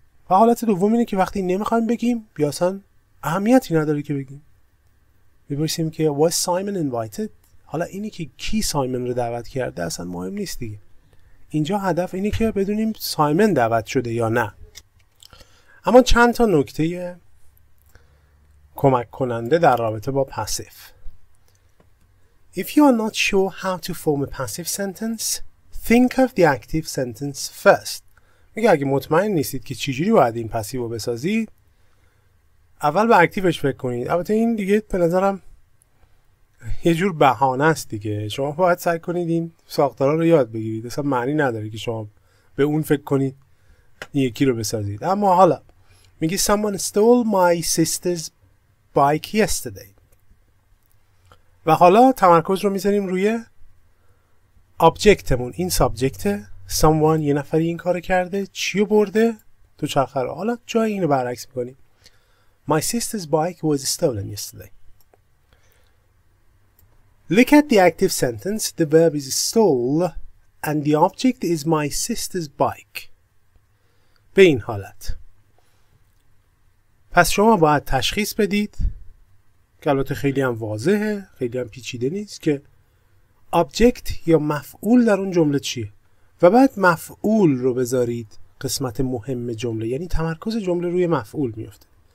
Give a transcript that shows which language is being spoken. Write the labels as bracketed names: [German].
[Persian] و حالت دوم اینه که وقتی نمیخوایم بگیم یا اصلا اهمیتی نداره که بگیم، میپرسیم که was Simon invited. حالا اینی که کی سایمن رو دعوت کرده اصلا مهم نیست دیگه. اینجا هدف اینه که بدونیم سایمن دعوت شده یا نه. اما چند تا نکته کمک کننده در رابطه با پسیو. [English] If you are not sure how to form a passive sentence, think of the active sentence first. [Persian] میگه اگه مطمئن نیستید که چجوری باید این پسیو رو بسازید، اول به اکتیوش فکر کنید. البته این دیگه به نظرم یه جور بهانه است دیگه. شما باید سعی کنید این ساختارا رو یاد بگیرید. اصلا معنی نداره که شما به اون فکر کنید یکی رو بسازید. اما حالا میگه someone stole my sister's [English] bike yesterday. [Persian] و حالا تمرکز رو میزنیم روی آبجکتمون. این سابجکته. Someone یه نفری این کار کرده. چیو برده؟ دوچرخه رو. حالا جای اینو برعکس میکنیم. [English] My sister's bike was stolen yesterday. Look at the active sentence. The verb is stole and the object is my sister's bike. [Persian] به این حالت. پس شما باید تشخیص بدید که البته خیلی هم واضحه، خیلی هم پیچیده نیست، که آبجکت یا مفعول در اون جمله چیه و بعد مفعول رو بذارید قسمت مهم جمله، یعنی تمرکز جمله روی مفعول میفته.